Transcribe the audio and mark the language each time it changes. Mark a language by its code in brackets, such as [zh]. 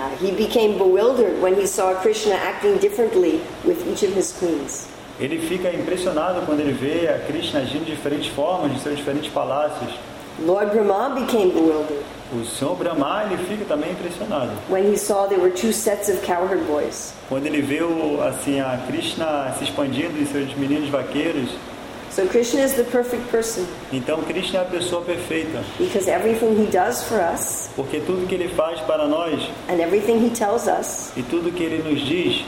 [en] He became bewildered when he saw Krishna acting differently with each of his queens. [pt] Ele fica impressionado quando ele vê a Krishna agindo de diferentes formas em seus diferentes palácios. [en] Lord Brahma became bewildered. [pt] O Senhor Brahma, ele fica também impressionado. [en] When he saw there were two sets of cowherd boys. [pt] Quando ele viu assim a Krishna se expandindo e seus meninos vaqueiros. [en] So Krishna is the perfect person. [pt] Então Krishna é a pessoa perfeita. [en] Because everything he does for us. [pt] Porque tudo que ele faz para nós. [en] And everything he tells us. [pt] E tudo que ele nos diz.